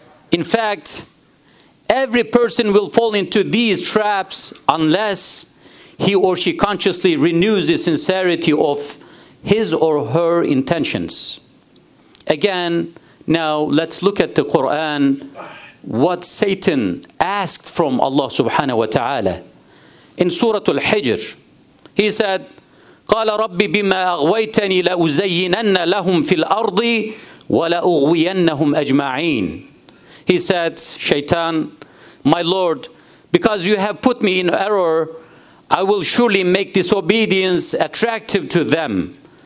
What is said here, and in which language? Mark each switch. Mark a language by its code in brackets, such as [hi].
[en] In fact, every person will fall into these traps unless he or she consciously renews the sincerity of his or her intentions. Again, now let's look at the Quran, what Satan asked from Allah subhanahu wa ta'ala. In Surah Al-Hijr, he said, [ar] قَالَ رَبِّ بِمَا أَغْوَيْتَنِي لَأُزَيِّنَنَّ لَهُمْ فِي الْأَرْضِ وَلَأُغْوِيَنَّهُمْ أَجْمَعِينَ. [en] He said, Shaitan, my Lord, because you have put me in error, I will surely make disobedience attractive to them.